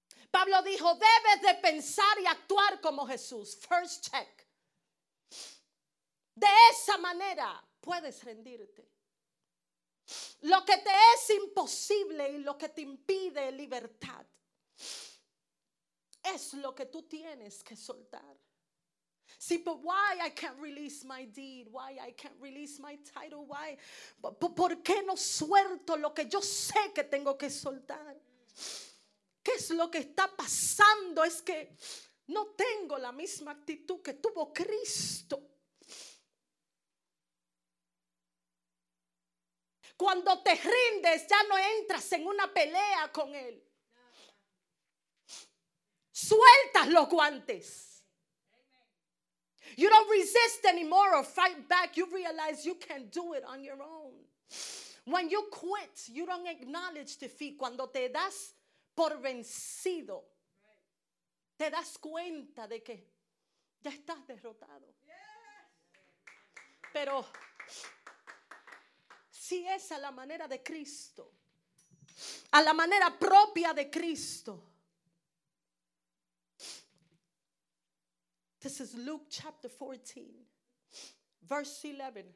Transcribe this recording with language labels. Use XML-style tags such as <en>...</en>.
<es>Pablo dijo, debes de pensar y actuar como Jesús.</es> <en>First check.</en> <es>De esa manera puedes rendirte. Lo que te es imposible y lo que te impide libertad es lo que tú tienes que soltar.</es> <en>See, but why I can't release my deed? Why I can't release my title? Why?</en> <es>¿Por qué no suelto lo que yo sé que tengo que soltar? ¿Qué es lo que está pasando? Es que no tengo la misma actitud que tuvo Cristo. Cuando te rindes, ya no entras en una pelea con él. Sueltas los guantes.</es> <en>You don't resist anymore or fight back. You realize you can't do it on your own. When you quit, you don't acknowledge defeat.</en> <es>Cuando te das por vencido, te das cuenta de que ya estás derrotado. Pero si es a la manera de Cristo, a la manera propia de Cristo,</es> <en>this is Luke chapter 14, verse 11.</en>